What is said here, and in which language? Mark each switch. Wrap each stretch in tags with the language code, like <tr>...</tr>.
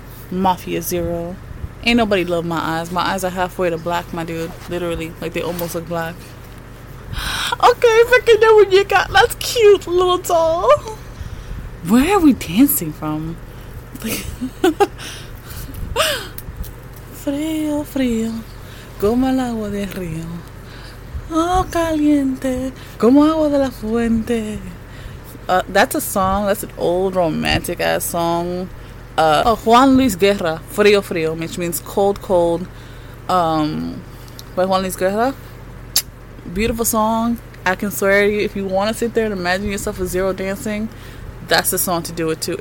<en>Mafia Zero. Ain't nobody love my eyes. My eyes are halfway to black, my dude. Literally. Like, they almost look black. Okay, freaking know what you got. That's cute, little doll. Where are we dancing from?</en> <es>Frio, frio, como el agua del río. Oh, caliente, como agua de la fuente.</es> <en>That's a song. That's an old romantic ass song. Juan Luis Guerra, frio, frio, which means cold, cold. By Juan Luis Guerra. Beautiful song. I can swear to you, if you want to sit there and imagine yourself a zero dancing, that's the song to do it to.</en>